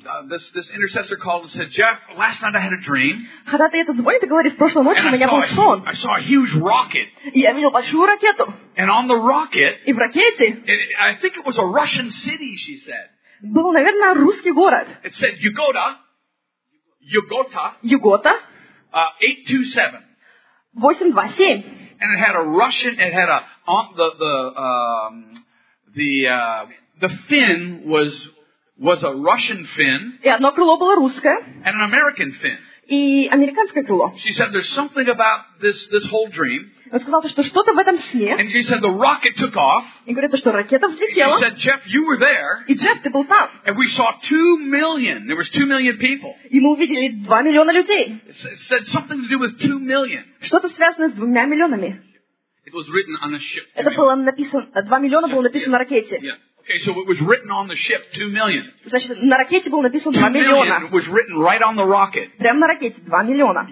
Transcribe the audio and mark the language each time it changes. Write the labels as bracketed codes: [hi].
[en] This intercessor called and said, Jeff, last night I had a dream. [ru] Ходатай этот звонит и говорит, в прошлой ночи у меня был сон. [en] I saw a huge rocket. [ru] Я видел большую ракету. [en] And on the rocket, [ru] и в ракете, [en] I think it was a Russian city, she said. [ru] Был, наверное, русский город. [en] It said Yugota. Yugota. Yugota. 827. 827. And it had a Russian. It had a the fin was a Russian fin. [ru] И одно крыло было русское. [en] And an American fin. [ru] И американское крыло. [en] She said, "There's something about this whole dream." [ru] Он сказал, что что-то в этом сне. [en] And he said, the rocket took off. [ru] И говорит, что ракета взлетела. [en] He said, Jeff, you were there. [ru] И Джефф, ты был там. [en] And we saw 2 million. There was 2 million people. [ru] И мы увидели 2 миллиона людей. [en] It said something to do with 2 million. [ru] Что-то связано с 2 миллионами. [en] It was written on a ship. [ru] Это было написано, 2 миллиона было написано на ракете. [en] Okay, so it was written on the ship, 2 million. [ru] Значит, на ракете было написано 2 миллиона. [en] It was written right on the rocket. [ru] Прямо на ракете 2 миллиона.